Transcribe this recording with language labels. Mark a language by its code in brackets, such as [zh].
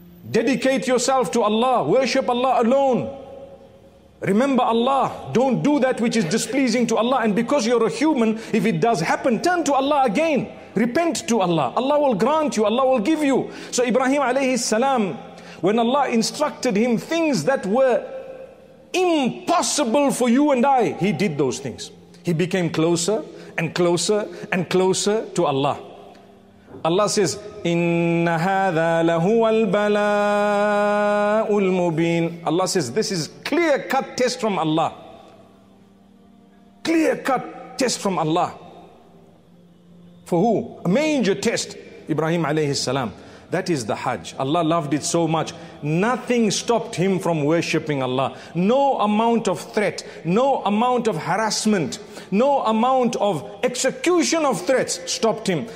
[en] Dedicate yourself to Allah. Worship Allah alone. Remember Allah, don't do that which is displeasing to Allah. And because you're a human, if it does happen, turn to Allah again. Repent to Allah. Allah will grant you, Allah will give you. So Ibrahim alayhi salam, when Allah instructed him things that were impossible for you and I, he did those things. He became closer and closer and closer to Allah. [ar] Allah says, إِنَّ هَذَا لَهُوَ الْبَلَاءُ الْمُبِينُ. [en] Allah says, this is clear-cut test from Allah. Clear-cut test from Allah. For who? A major test. Ibrahim alayhi salam. That is the Hajj. Allah loved it so much. Nothing stopped him from worshipping Allah. No amount of threat, no amount of harassment, no amount of execution of threats stopped him.